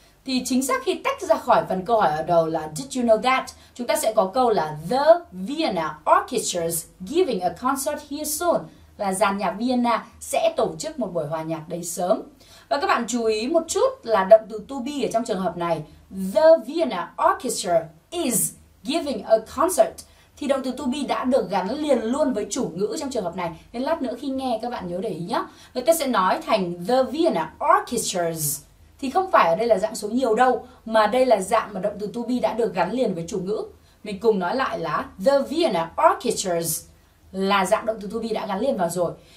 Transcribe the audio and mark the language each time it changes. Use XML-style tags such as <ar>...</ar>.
<vi>Thì chính xác khi tách ra khỏi phần câu hỏi ở đầu là</vi> <en>Did you know that?</en> <vi>Chúng ta sẽ có câu là</vi> <en>The Vienna Orchestra is giving a concert here soon.</en> <vi>Là dàn nhạc Vienna sẽ tổ chức một buổi hòa nhạc đấy sớm. Và các bạn chú ý một chút là động từ to be ở trong trường hợp này.</vi> <en>The Vienna Orchestra is giving a concert.</en> <vi>Thì động từ to be đã được gắn liền luôn với chủ ngữ trong trường hợp này. Nên lát nữa khi nghe các bạn nhớ để ý nhé. Người ta sẽ nói thành</vi> <en>The Vienna Orchestras.</en> <vi>Thì không phải ở đây là dạng số nhiều đâu, mà đây là dạng mà động từ to be đã được gắn liền với chủ ngữ. Mình cùng nói lại là</vi> <en>The Vienna Orchestras</en> <vi>là dạng động từ to be đã gắn liền vào rồi.</vi>